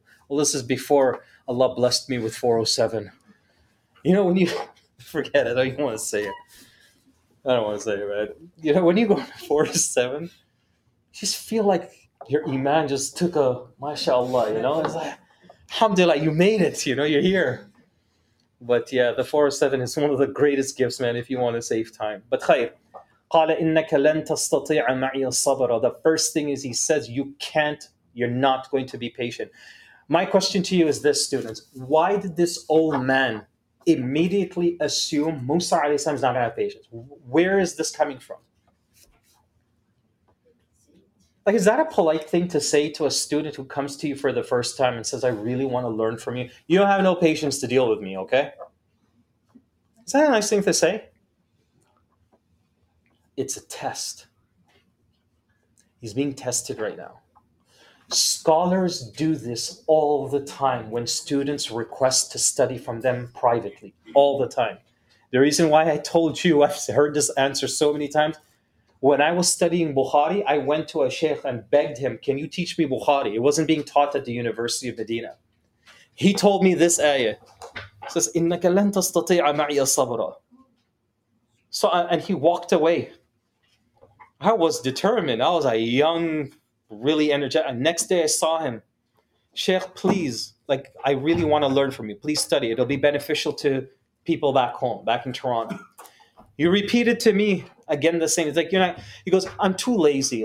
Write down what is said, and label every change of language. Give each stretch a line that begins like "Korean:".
English: Well, this is before Allah blessed me with 407. You know, when you forget it, I don't even want to say it. I don't want to say it, man. You know, when you go to 407, you just feel like your iman just took a mashallah, you know? It's like, alhamdulillah, you made it, you know, you're here. But yeah, the 407 is one of the greatest gifts, man, if you want to save time.
Arabic: But khair, قَالَ إِنَّكَ لَن تَسْتَطِيعَ مَعِيَ الصَّبْرَ.
English: The first thing is he says, you're not going to be patient. My question to you is this, students. Why did this old man immediately assume Musa alayhi salam is not going to have patience? Where is this coming from? Like, is that a polite thing to say to a student who comes to you for the first time and says, I really want to learn from you? You don't have no patience to deal with me, okay? Is that a nice thing to say? It's a test. He's being tested right now. Scholars do this all the time when students request to study from them privately, all the time. The reason why I told you, I've heard this answer so many times. When I was studying Bukhari, I went to a sheikh and begged him, can you teach me Bukhari? It wasn't being taught at the University of Medina. He told me this ayah. It says,
Arabic: إِنَّكَ لَن تَسْتَطِيعَ مَعِيَ صَبْرًا.
English: So, and he walked away. I was determined. I was a young, really energetic. And next day I saw him. Sheikh, please, like, I really want to learn from you. Please study. It'll be beneficial to people back home, back in Toronto. He repeated to me again the same. It's like, you know, he goes, I'm too lazy.